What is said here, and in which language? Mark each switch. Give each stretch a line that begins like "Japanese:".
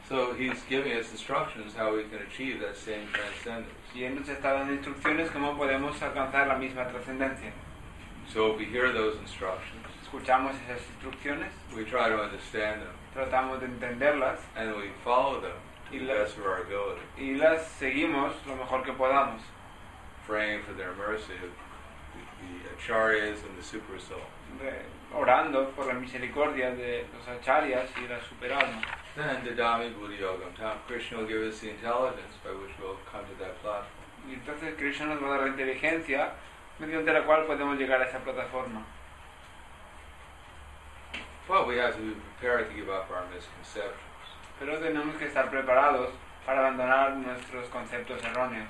English: So he's giving us instructions how we can achieve that same transcendence.
Spanish: Y él nos está dando instrucciones cómo podemos alcanzar la misma trascendencia.
English: So if we hear those instructions.
Spanish: escuchamos esas instrucciones,
English: we try to understand them,
Spanish: tratamos de entenderlas,
English: and we follow them to the best of our ability.
Spanish: Y las seguimos lo mejor que podamos.
English: Praying for their mercy, the acharyas and the super soul.
Spanish: Orando por la misericordia de los acharyas y la super alma.
English: Then the
Sanskrit: Dhammi Buddhi Yogam Tam,
English: Krishna will give us the intelligence by which we'll come to that platform.
Spanish: Y entonces Krishna nos va a dar la inteligencia mediante la cual podemos llegar a esa plataforma.
English: Well, we have to be prepared to give up our misconceptions.
Spanish: Pero tenemos que estar preparados para abandonar nuestros conceptos erróneos.